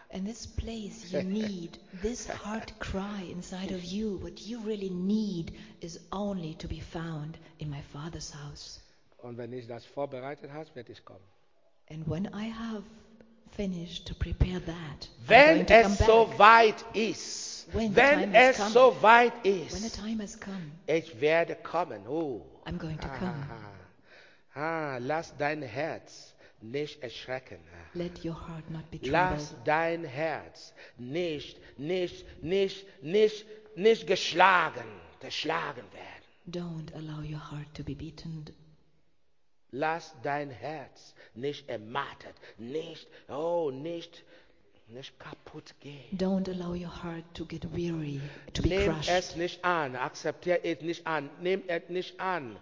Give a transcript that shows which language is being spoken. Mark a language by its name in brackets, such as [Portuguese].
[English] And this place you need, this heart cry inside of you, what you really need is only to be found in my Father's house. [German] Und wenn ich das vorbereitet habe, werde ich kommen. [English] And when I have finished to prepare that, [German] wenn [English] I'm going to come so back. [German] Weit ist, wenn es soweit ist, [English] when the time has come, [German] ich werde kommen. Oh. [English] I'm going to come. [German] Lass dein Herz nicht erschrecken. [English] Let your heart not be troubled. [German] Lass dein Herz nicht geschlagen werden. [English] Don't allow your heart to be beaten. [German] Lass dein Herz nicht ermattet, nicht kaputt gehen. [English] Don't allow your heart to get weary, to [German] Nimm [English] be crushed. [German] Nimm es nicht an, akzeptiere es nicht an, nimm es nicht an.